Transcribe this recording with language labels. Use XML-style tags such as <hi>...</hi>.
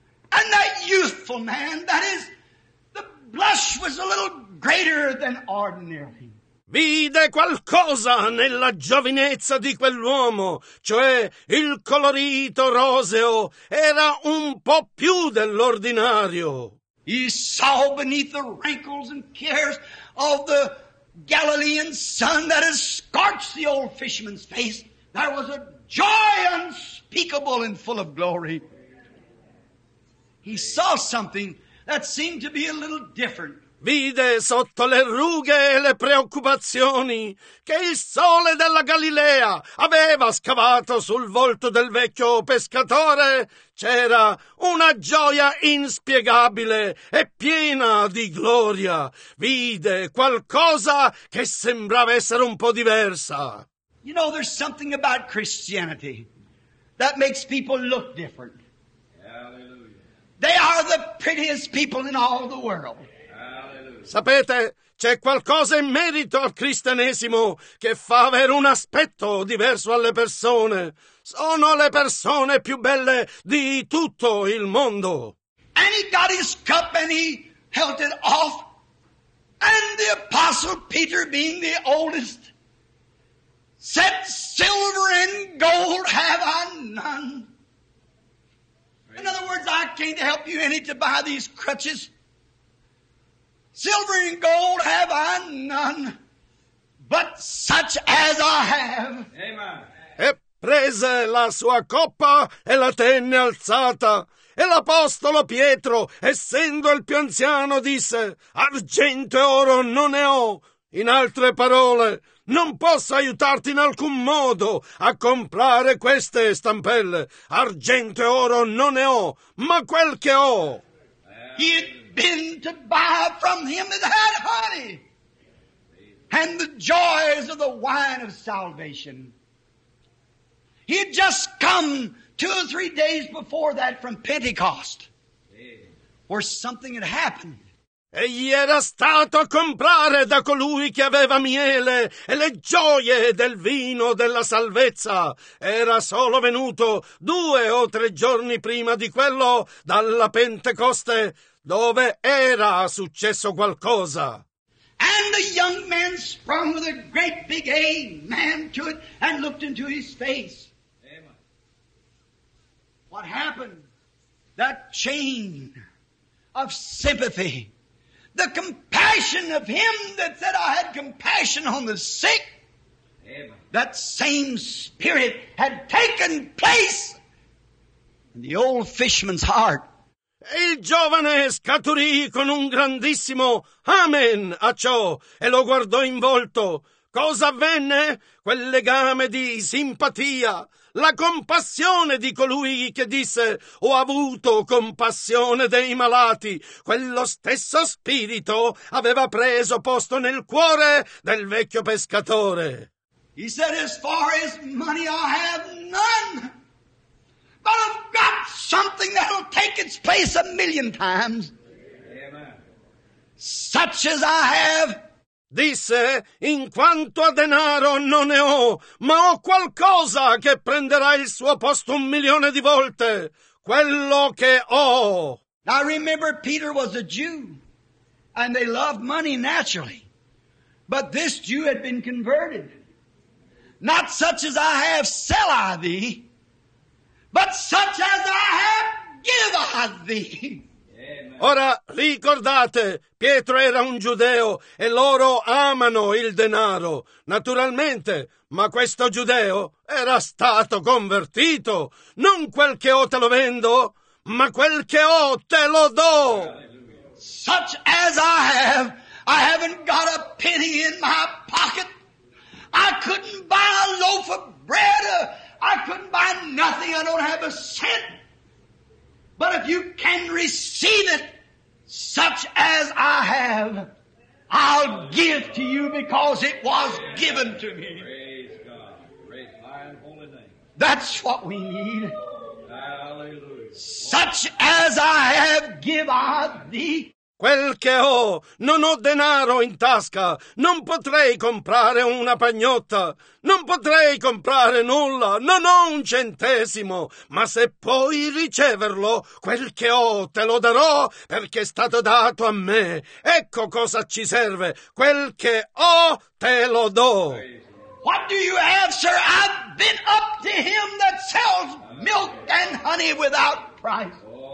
<en>And that youthful man, that is, the blush was a little greater than ordinary.</en> <it>Vide qualcosa nella giovinezza di quell'uomo, cioè il colorito roseo era un po' più dell'ordinario.</it> <en>He saw beneath the wrinkles and cares of the Galilean sun that had scorched the old fisherman's face, there was a joy unspeakable and full of glory. He saw something that seemed to be a little different.</en> <it>Vide sotto le rughe e le preoccupazioni che il sole della Galilea aveva scavato sul volto del vecchio pescatore, c'era una gioia inspiegabile e piena di gloria. Vide qualcosa che sembrava essere un po' diversa.</it> <en>You know, there's something about Christianity that makes people look different. Hallelujah. They are the prettiest people in all the world.</en> <it>Sapete, c'è qualcosa in merito al cristianesimo che fa avere un aspetto diverso alle persone. Sono le persone più belle di tutto il mondo.</it> <en>And he got his cup and he held it off. And the apostle Peter, being the oldest, said, "Silver and gold have I none." In other words, I can't help you any to buy these crutches. Silver and gold have I none, but such as I have. Amen.</en> <it>E prese la sua coppa e la tenne alzata. E l'apostolo Pietro, essendo il più anziano, disse: argento e oro non ne ho. In altre parole, non posso aiutarti in alcun modo a comprare queste stampelle. Argento e oro non ne ho, ma quel che ho.</it> <en>Been to buy from him that had honey and the joys of the wine of salvation. He had just come 2 or 3 days before that from Pentecost, where something had happened.</en> <it>Egli era stato a comprare da colui che aveva miele e le gioie del vino della salvezza. Era solo venuto 2 o 3 giorni prima di quello dalla Pentecoste, dove era successo qualcosa.</it> <en>And the young man sprung with a great big amen to it and looked into his face. Amen. What happened? That chain of sympathy, the compassion of him that said, "I had compassion on the sick." Amen. That same spirit had taken place in the old fisherman's heart.</en> <it>Il giovane scaturì con un grandissimo amen a ciò e lo guardò in volto. Cosa avvenne? Quel legame di simpatia, la compassione di colui che disse: ho avuto compassione dei malati. Quello stesso spirito aveva preso posto nel cuore del vecchio pescatore.</it> <en>He said, "As far as money I have none. But I've got something that'll take its place a million times." Amen. "Such as I have,"</en> <it>disse, "in quanto a denaro non ne ho, ma ho qualcosa che prenderà il suo posto un milione di volte, quello che ho."</it> <en>Now remember, Peter was a Jew, and they loved money naturally. But this Jew had been converted. "Not such as I have sell I thee, but such as I have give I thee."</en> <it>Ora ricordate, Pietro era un giudeo e loro amano il denaro, naturalmente, ma questo giudeo era stato convertito. Non quel che ho te lo vendo, ma quel che ho te lo do.</it> <en>"Such as I haven't got a penny in my pocket. I couldn't buy a loaf of bread. I couldn't buy nothing. I don't have a cent. But if you can receive it, such as I have, I'll give to you because it was given to me." Praise God. Praise my holy name. That's what we need. Hallelujah. "Such as I have, give I thee."</en> <it>Quel che ho, non ho denaro in tasca, non potrei comprare una pagnotta, non potrei comprare nulla, non ho un centesimo, ma se puoi riceverlo, quel che ho te lo darò perché è stato dato a me. Ecco cosa ci serve, quel che ho te lo do.</it> <en>What do you have, sir? I've been up to him that sells milk and honey without price.</en>